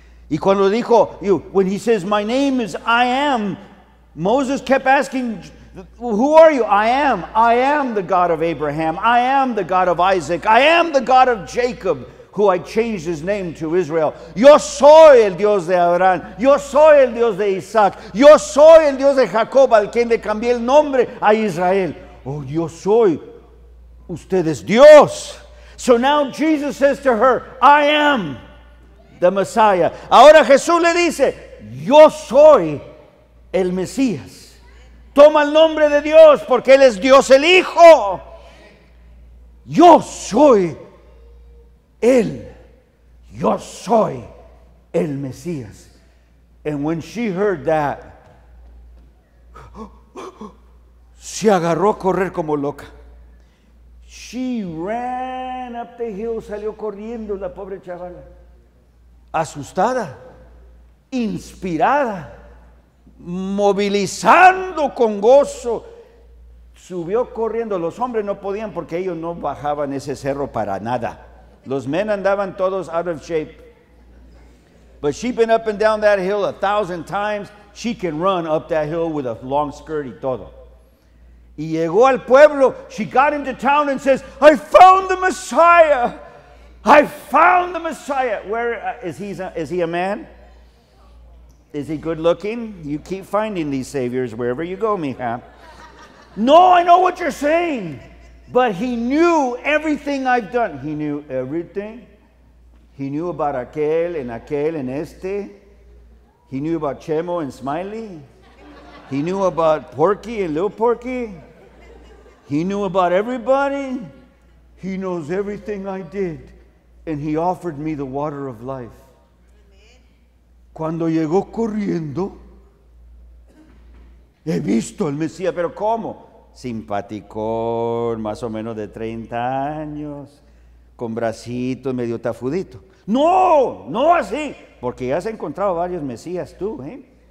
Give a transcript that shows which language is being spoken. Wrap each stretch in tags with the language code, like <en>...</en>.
<es>Y cuando dijo,</es> <en>when he says, my name is I am, Moses kept asking, who are you? I am. I am the God of Abraham. I am the God of Isaac. I am the God of Jacob, who I changed his name to Israel.</en> <es>Yo soy el Dios de Abraham. Yo soy el Dios de Isaac. Yo soy el Dios de Jacob, al quien le cambié el nombre a Israel. Oh, yo soy. Usted es Dios.</es> <en>So now Jesus says to her, I am the Messiah.</en> <es>Ahora Jesús le dice, yo soy el Mesías. Toma el nombre de Dios, porque él es Dios el Hijo. Yo soy él, yo soy el Mesías.</es> <en>And when she heard that,</en> <es>se agarró a correr como loca.</es> <en>She ran up the hill,</en> <es>salió corriendo la pobre chavala. Asustada, inspirada, movilizando con gozo. Subió corriendo. Los hombres no podían porque ellos no bajaban ese cerro para nada. Los men andaban todos</es> <en>out of shape. But she'd been up and down that hill 1,000 times. She can run up that hill with a long skirt</en> <es>y todo. Y llegó al pueblo.</es> <en>She got into town and says, I found the Messiah. I found the Messiah. Where is he a man? Is he good looking? You keep finding these saviors wherever you go, mija. No, I know what you're saying. But he knew everything I've done. He knew everything. He knew about</en> <es>aquel</es> <en>and este. He knew about Chemo and Smiley. He knew about Porky and Little Porky. He knew about everybody. He knows everything I did. And he offered me the water of life.</en> <es>Cuando llegó corriendo, he visto al Mesías, pero ¿cómo? Simpaticón, más o menos de 30 años, con bracitos medio tafudito. ¡No! ¡No así! Porque ya has encontrado varios Mesías tú, ¿eh?</es>